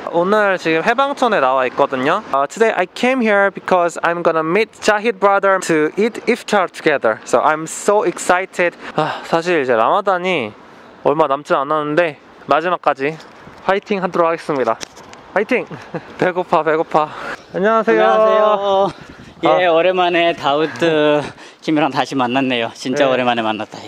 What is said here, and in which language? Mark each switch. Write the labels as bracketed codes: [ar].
[ko] 오늘 지금 해방촌에 나와 있거든요. [en] Today I came here because I'm gonna meet Jahid brother to eat iftar together. So I'm so excited. [ko] 사실 이제 라마단이 얼마 남지 않았는데 마지막까지 화이팅 하도록 하겠습니다. 화이팅. 배고파 배고파. 안녕하세요. 안녕하세요. 예, 오랜만에 다우드 김이랑 다시 만났네요. 진짜 네. 오랜만에 만났다.